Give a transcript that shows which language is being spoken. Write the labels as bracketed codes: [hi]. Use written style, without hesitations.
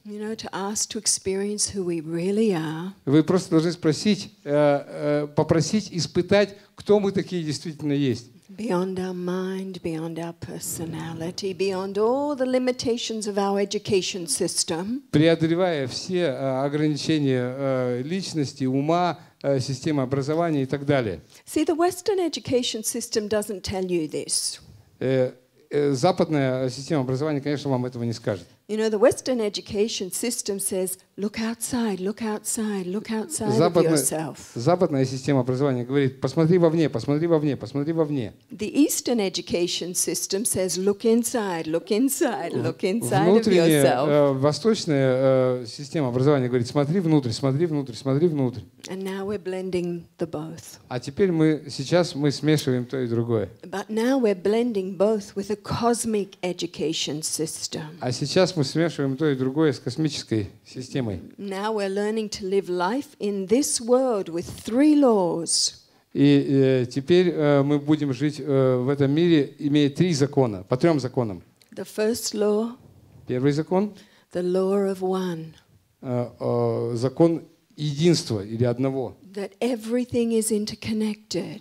[en] You know, to ask to experience who we really are. [ru] Вы просто должны спросить, попросить, испытать, кто мы такие действительно есть. [en] Beyond our mind, beyond our personality, beyond all the limitations of our education system. [ru] Преодолевая все ограничения личности, ума, системы образования и так далее. [en] See, the Western education system doesn't tell you this. [ru] Западная система образования, конечно, вам этого не скажет. [en] You know, the Western education system says, look outside, look outside, look outside of yourself. [ru] Западная система образования говорит, посмотри вовне, посмотри вовне, посмотри вовне. [en] The Eastern education system says, look inside, look inside, look inside of yourself. [ru] Внутренняя, восточная система образования говорит, смотри внутрь, смотри внутрь, смотри внутрь. [en] And now we're blending the both. [ru] А теперь сейчас мы смешиваем то и другое. [en] But now we're blending both with a cosmic education system. [ru] А сейчас мы смешиваем то и другое с космической системой. [en] Now we're learning to live life in this world with three laws. [ru] И теперь мы будем жить в этом мире, имея три закона, по трем законам. [en] The first law. [ru] Первый закон. [en] The law of one. [ru] Закон единства или одного. [en] That everything is interconnected.